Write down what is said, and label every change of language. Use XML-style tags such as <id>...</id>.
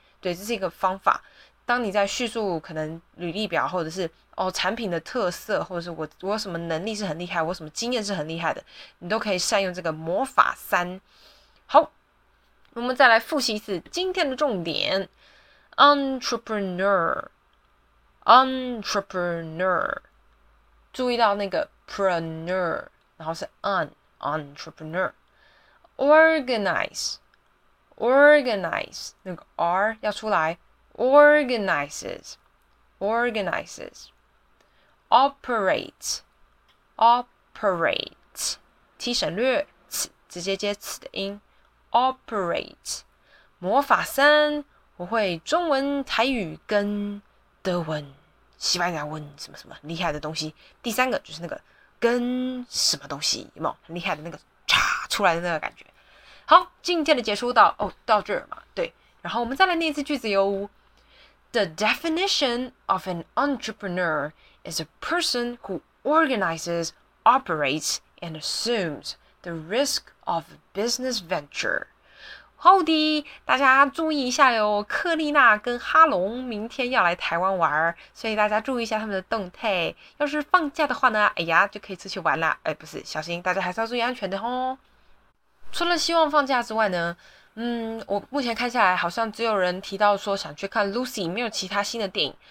<zh>对，这是一个方法。当你在叙述可能履历表，或者是哦产品的特色，或者是我什么能力是很厉害，我什么经验是很厉害的，你都可以善用这个魔法三。好，我们再来复习一次今天的重点 entrepreneur entrepreneur。注意到那个 preneur， 然后是 un entrepreneur。 organize organize， 那个 r 要出来， organizes organizes。 operate operate， t 省略 ，t 直接接 t 的音，operate。魔法三，我会中文、台语跟德文、西班牙文什么什么厉害的东西。第三个就是那个跟什么东西，有没有很厉害的那个叉出来的那个感觉。好，今天的结束到这儿嘛。对，然后我们再来念一次句子哟。</zh> <en>The definition of an entrepreneur is a person who organizes, operates, and assumes the risk of business venture。</en> <zh>好的，大家注意一下哟，克丽娜跟哈龙明天要来台湾玩，所以大家注意一下他们的动态。要是放假的话呢，哎呀，就可以出去玩啦。哎，不是，小心，大家还是要注意安全的哦。除了希望放假之外呢，我目前看下来好像只有人提到说想去看 Lucy， 没有其他新的电影。</zh>